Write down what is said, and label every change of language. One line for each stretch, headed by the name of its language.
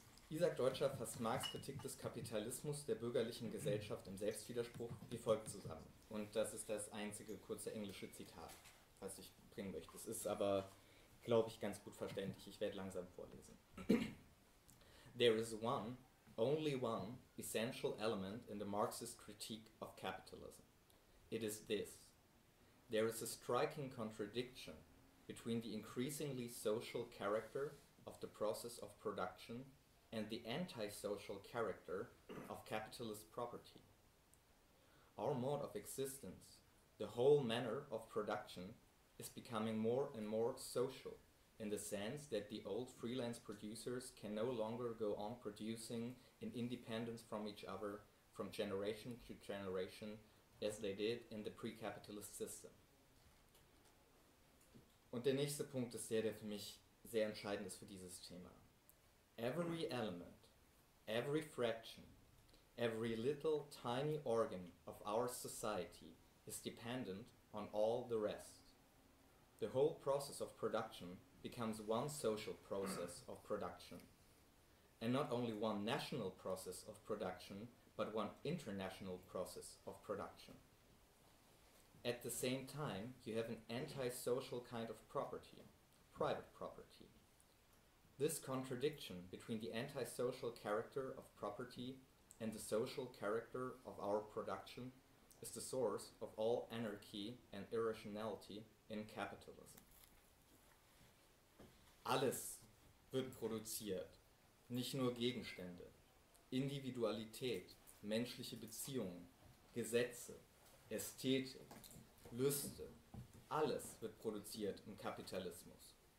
German: Isaac Deutscher fasst Marx' Kritik des Kapitalismus der bürgerlichen Gesellschaft im Selbstwiderspruch wie folgt zusammen. Und das ist das einzige kurze englische Zitat, was ich bringen möchte. Es ist aber, glaube ich, ganz gut verständlich. Ich werde langsam vorlesen.
English: There is one, only one, essential element in the Marxist critique of capitalism. It is this. There is a striking contradiction between the increasingly social character of the process of production and the antisocial character of capitalist property. Our mode of existence, the whole manner of production, is becoming more and more social in the sense that the old freelance producers can no longer go on producing in independence from each other, from generation to generation, as they did in the pre-capitalist system.
German: Und der nächste Punkt ist der, der für mich sehr entscheidend ist für dieses Thema.
English: Every element, every fraction, every little tiny organ of our society is dependent on all the rest. The whole process of production becomes one social process of production. and not only one national process of production, but one international process of production. At the same time, you have an anti-social kind of property, private property. This contradiction between the anti-social character of property and the social character of our production is the source of all anarchy and irrationality in capitalism.
German: Alles wird produziert, nicht nur Gegenstände, Individualität, menschliche Beziehungen, Gesetze, Ästhetik, Lüste, alles wird produziert im Kapitalismus.